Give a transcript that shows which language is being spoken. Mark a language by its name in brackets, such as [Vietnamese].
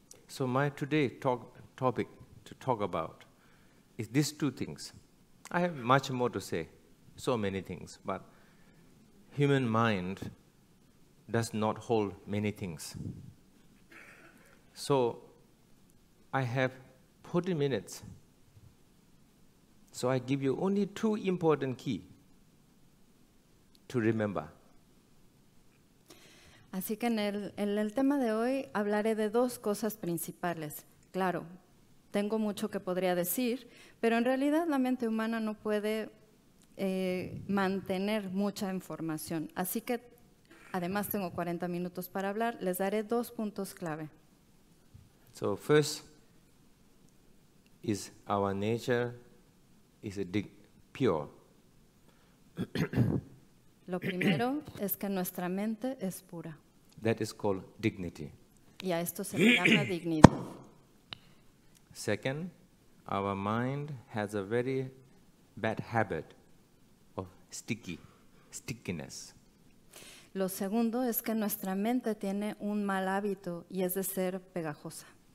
[English] So my today topic to talk about is these two things. I have much more to say, so many things, but human mind does not hold many things. So I have 40 minutes. So I give you only two important key to remember. [Spanish] Así que en el tema de hoy hablaré de dos cosas principales. Claro, tengo mucho que podría decir, pero en realidad la mente humana no puede mantener mucha información. Así que, además tengo 40 minutos para hablar, les daré dos puntos clave. [English] So first, is our nature is pure. [Spanish] Lo primero es que nuestra mente es pura. [English] That is called dignity. [Spanish] Y a esto se le llama dignidad. [English] Second, our mind has a very bad habit of stickiness. [Spanish] Lo segundo es que nuestra mente tiene un mal hábito y es de ser pegajosa.